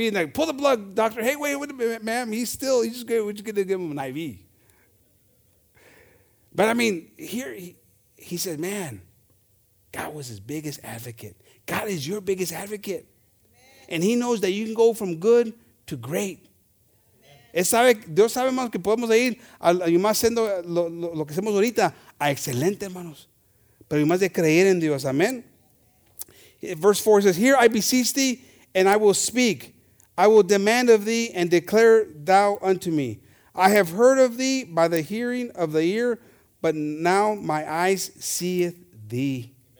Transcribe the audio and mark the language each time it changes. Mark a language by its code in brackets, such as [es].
[en] And like, pull the plug, doctor. Hey, wait, what a minute, ma'am. We're just gonna give him an IV. But I mean, here he said, man, God was his biggest advocate. God is your biggest advocate. And he knows that you can go from good to great. [es] Dios sabe, hermanos, que podemos ir más haciendo lo que hacemos ahorita a excelente, hermanos. Pero más de creer en Dios, amén. [en] Verse 4 says, here I beseech thee, and I will speak. I will demand of thee, and declare thou unto me. I have heard of thee by the hearing of the ear, but now my eyes seeth thee.